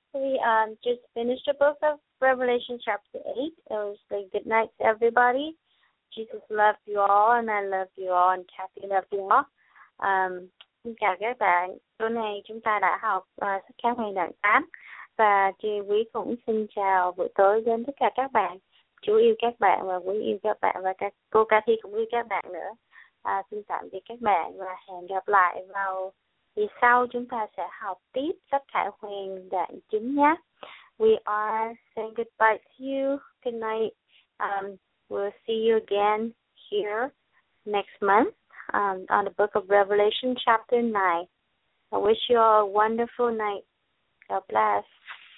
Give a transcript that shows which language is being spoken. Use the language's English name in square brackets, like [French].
[English] We just finished the book of Revelation chapter 8. It was a good night to everybody. Jesus loved you all, and I love you all, and Kathy loved you all. [Vietnamese] Xin chào các bạn. Tối nay chúng ta đã học khóa ngày đoạn 8. Và chị Quý cũng xin chào buổi tối đến tất cả các bạn. Chú yêu các bạn và Quý yêu các bạn và các cô Kathy cũng yêu các bạn nữa. Xin tạm biệt các bạn và hẹn gặp lại vào thì sau chúng ta sẽ học tiếp sách Khải Huyền đoạn 9 nhé. [English] We are saying goodbye to you. Good night. We'll see you again here next month on the book of Revelation chapter 9. I wish you all a wonderful night. God bless.